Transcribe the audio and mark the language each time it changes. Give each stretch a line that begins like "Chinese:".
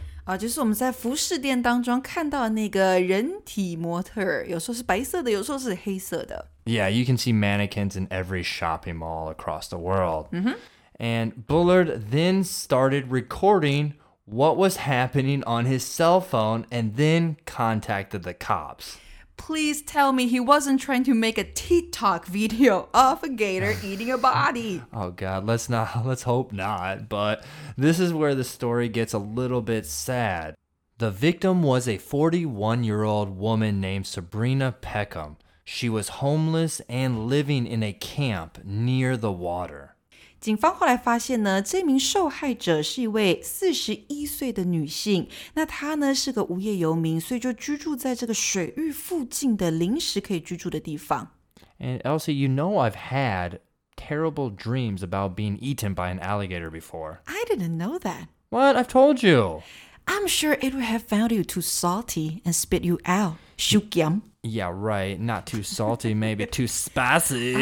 Chinese: 啊、就是我们在服饰店当中看到那个人体模特有时候是白色的有时候是黑色的
English: Yeah, you can see mannequins in every shopping mall across the world、 mm-hmm. And Bullard then started recording what was happening on his cell phone and then contacted the cops Please tell me he wasn't trying to make a TikTok video of a gator eating a body. Oh God, let's hope not. But this is where the story gets a little bit sad. The victim was a 41-year-old woman named Sabrina Peckham. She was homeless and living in a camp near the water.
Chinese: 警方后来发现呢，这名受害者是一位41岁的女性，那她呢是个无业游民，所以就居住在这个水域附近的临时可以居住的地方。
English: And Elsie, you know I've had terrible dreams about being eaten by an alligator before. I didn't know that. What? I've told you. I'm sure it would have found you too salty and spit you out. Shook yum. Yeah, right. Not too salty, maybe too spicy.